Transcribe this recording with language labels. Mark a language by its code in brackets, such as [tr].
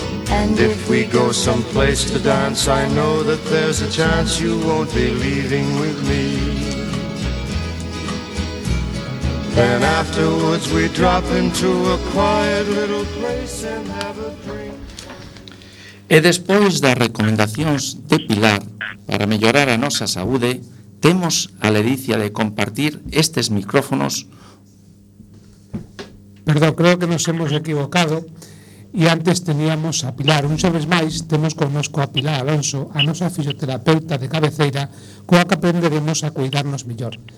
[en] And if we go someplace to dance, I know that there's a chance you won't be leaving with me. Then afterwards we drop into a quiet little place and have a drink. [gl] E despois das recomendacións de Pilar para mellorar a nosa saúde, temos a ledicia de compartir estes micrófonos. [es] Perdón, creo que nos hemos equivocado. [gl] E antes teníamos a Pilar. Un xoves máis temos connosco a Pilar Alonso, a nosa fisioterapeuta de cabeceira, coa que aprenderemos a cuidarnos mellor.